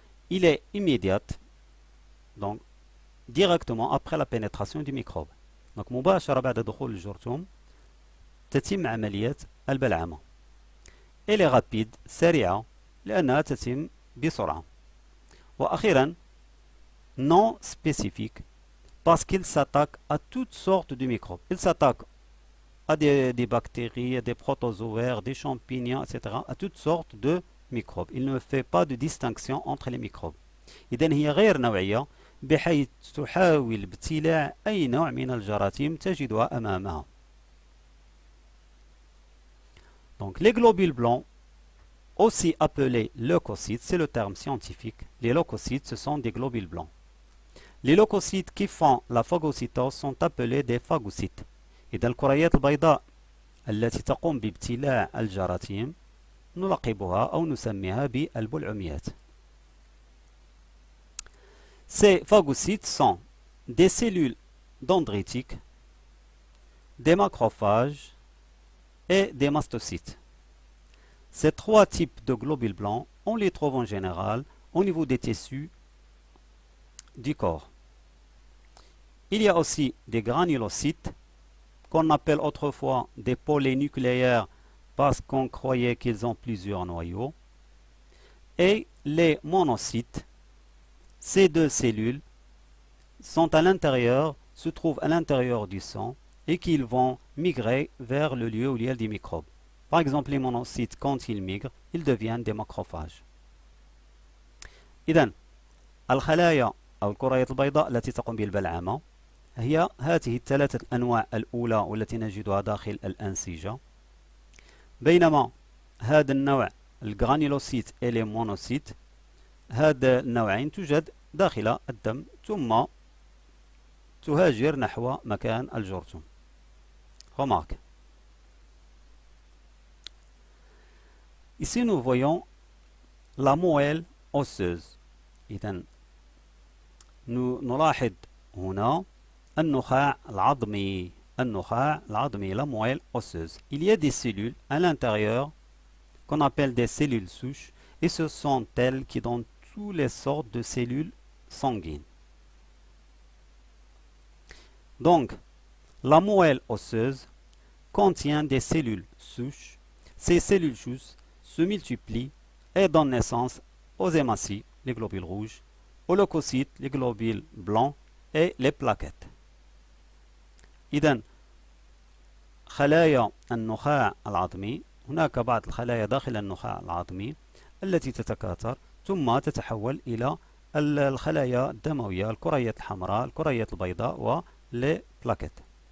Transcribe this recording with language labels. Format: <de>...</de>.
<fr>Il est immédiat, donc directement après la pénétration du microbe. Donc,</fr> <ar>مباشرة بعد دخول الجرثومة تتم عملية البلعمة.</ar> <fr>Elle est rapide,</fr> <ar>سريعة, لأنها تتم بسرعة.</ar> <fr>وأخيرا, non spécifique, parce qu'il s'attaque à toutes sortes de microbes. Il s'attaque à des bactéries, des protozoaires, des champignons, etc. à toutes sortes de microbes. Il ne fait pas de distinction entre les microbes.</fr> <ar>إذن هي غير نوعية. بحيث تحاول ابتلاع أي نوع من الجراثيم تجدها أمامها.</ar> <fr>Donc les globules blancs, aussi appelés leucocytes, c'est le terme scientifique. Les leucocytes, ce sont des globules blancs. Les leucocytes qui font la phagocytose sont appelés des phagocytes. Et dans les</fr> <ar>الكريات البيضاء التي تقوم بابتلاع الجراثيم نلقبها أو نسميها بالبلعوميات.</ar> <fr>Ces phagocytes sont des cellules dendritiques, des macrophages et des mastocytes. Ces trois types de globules blancs, on les trouve en général au niveau des tissus du corps. Il y a aussi des granulocytes qu'on appelle autrefois des polynucléaires parce qu'on croyait qu'ils ont plusieurs noyaux. Et les monocytes, ces deux cellules sont à l'intérieur, se trouvent à l'intérieur du sang et qu'ils vont migrer vers le lieu où il y a des microbes. Par exemple, les monocytes, quand ils migrent, ils deviennent des macrophages.</fr> <ar>إذن الخلايا أو الكريات البيضاء التي تقوم بالبلعامة هي هذه الثلاثة أنواع الأولى والتي نجدها داخل الأنسجة، بينما هذا النوع الغرانيلوسيت و المونوسيت هذا النوعين توجد داخل الدم ثم تهاجر نحو مكان الجرثوم.</ar> <fr>Remarque. Ici nous voyons la moelle osseuse.</fr> <ar>إذا نو نلاحظ هنا النخاع العظمي</ar> <fr>la moelle osseuse. Il y a des cellules à l'intérieur qu'on appelle des cellules souches et ce sont elles qui donnent toutes les sortes de cellules sanguines. Donc, la moelle osseuse contient des cellules souches. Ces cellules souches se multiplient et donnent naissance aux hématies, les globules rouges, aux leucocytes, les globules blancs et les plaquettes.</fr> <ar>إذن خلايا النخاع العظمي، هناك بعض الخلايا داخل النخاع العظمي التي تتكاثر ثم تتحول إلى الخلايا الدموية، الكريات الحمراء، الكريات البيضاء و</ar> <fr>les plaquettes.</fr>